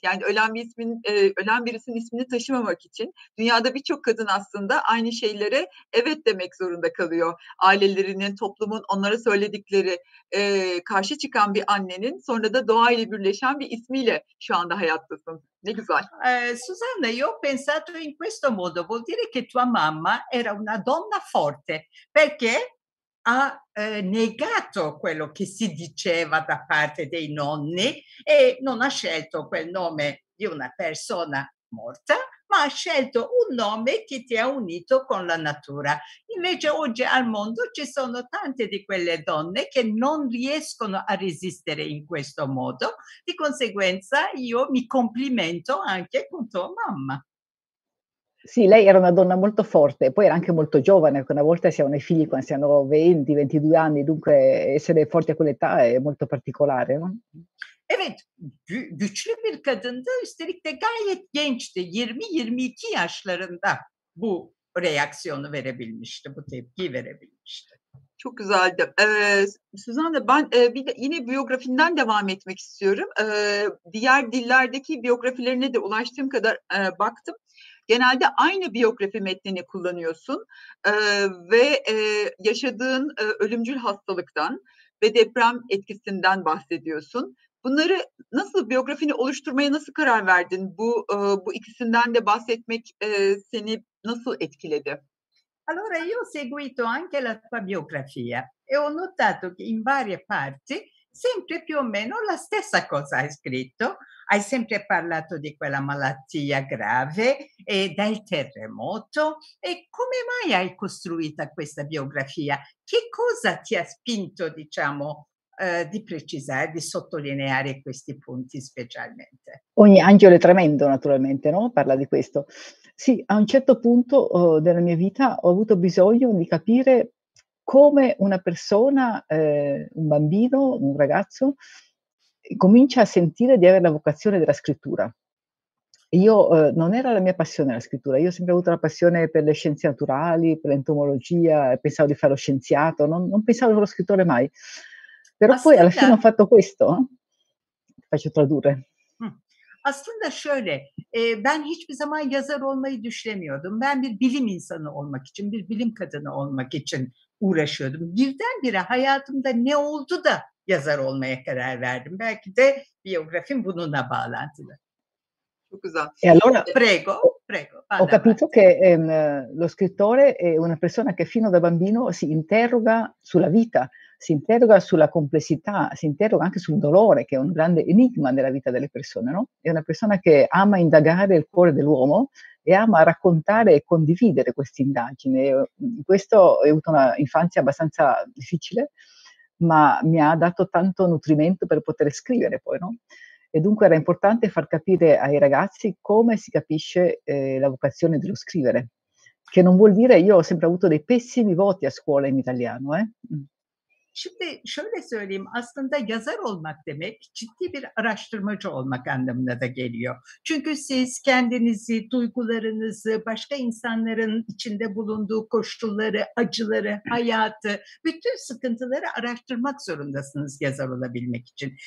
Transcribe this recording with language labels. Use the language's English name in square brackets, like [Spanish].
[Turkish] Yani ölen birisinin ismini taşımamak için. Dünyada birçok kadın aslında aynı şeylere evet demek zorunda kalıyor. Ailelerinin, toplumun onlara söyledikleri karşı çıkan bir annenin sonra da doğayla birleşen bir ismiyle şu anda hayattasın. Ne güzel. [Italian] Susanna, io ho pensato in questo modo. Vuol dire che tua mamma era una donna forte. Perché? Ha negato quello che si diceva da parte dei nonni e non ha scelto quel nome di una persona morta, ma ha scelto un nome che ti ha unito con la natura. Invece oggi al mondo ci sono tante di quelle donne che non riescono a resistere in questo modo. Di conseguenza io mi complimento anche con tua mamma. Sì, lei era una donna molto forte, poi era anche molto giovane, perché una volta si hanno i figli quando si hanno 20, 22 anni, dunque essere forti a quell'età è molto particolare, no? [Turkish] Evet, güçlü bir kadındı, üstelik de gayet gençti, 20-22 yaşlarında bu reaksiyonu verebilmişti, bu tepkiyi verebilmişti. Çok güzeldi. Susanna, ben bir de yine biyografinden devam etmek istiyorum. Diğer dillerdeki biyografilerine de ulaştığım kadar baktım. Genelde aynı biyografi metnini kullanıyorsun ve yaşadığın ölümcül hastalıktan ve deprem etkisinden bahsediyorsun. Bunları nasıl, biyografini oluşturmaya nasıl karar verdin? Bu ikisinden de bahsetmek seni nasıl etkiledi? [Italian] Allora io ho seguito anche la tua biografia e ho notato che in varie parti sempre più o meno la stessa cosa hai scritto. Hai sempre parlato di quella malattia grave e del terremoto. E come mai hai costruita questa biografia? Che cosa ti ha spinto, diciamo, di precisare, di sottolineare questi punti specialmente? Ogni angelo è tremendo, naturalmente, no? Parla di questo. Sì, a un certo punto della mia vita ho avuto bisogno di capire come una persona, un bambino, un ragazzo, comincia a sentire di avere la vocazione della scrittura. Io non era la mia passione la scrittura, io ho sempre avuto la passione per le scienze naturali, per l'entomologia, pensavo di fare lo scienziato, non pensavo allo scrittore mai. Però [Turkish] aslında, [Italian] poi alla fine ho fatto questo, faccio tradurre. [Turkish] Aslında şöyle, ben hiçbir zaman yazar olmayı düşünmüyordum. Ben bir bilim insanı olmak için, bir bilim kadını olmak için uğraşıyordum. Birdenbire hayatımda ne oldu da yazar olmaya karar verdim. Belki de biyografim bununla bağlantılı. Çok güzel. [Italian] E allora, prego. Ho capito che lo scrittore è una persona che fino da bambino si interroga sulla vita, si interroga sulla complessità, si interroga anche sul dolore, che è un grande enigma della vita delle persone, no? È una persona che ama indagare il cuore dell'uomo e ama raccontare e condividere queste indagini. Questo ho avuto una infanzia abbastanza difficile, ma mi ha dato tanto nutrimento per poter scrivere poi, no? E dunque era importante far capire ai ragazzi come si capisce la vocazione dello scrivere, che non vuol dire, io ho sempre avuto dei pessimi voti a scuola in italiano, eh? [Turkish] Şimdi şöyle söyleyeyim, aslında yazar olmak demek ciddi bir araştırmacı olmak anlamına da geliyor. Çünkü siz kendinizi, duygularınızı, başka insanların içinde bulunduğu koşulları, acıları, hayatı, bütün sıkıntıları araştırmak zorundasınız yazar olabilmek için.